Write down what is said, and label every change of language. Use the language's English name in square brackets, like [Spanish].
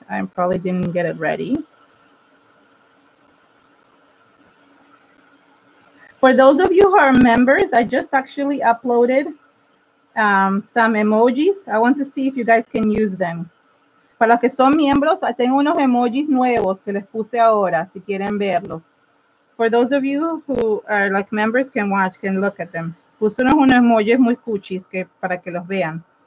[English] I probably didn't get it ready. For those of you who are members, I just actually uploaded some emojis. I want to see if you guys can use them. [Spanish] Para los que son miembros, I tengo unos emojis nuevos que les puse ahora, si quieren verlos. [English] For those of you who are like members, can look at them. [Spanish] Puse unos emojis muy cuchis que, para que los vean.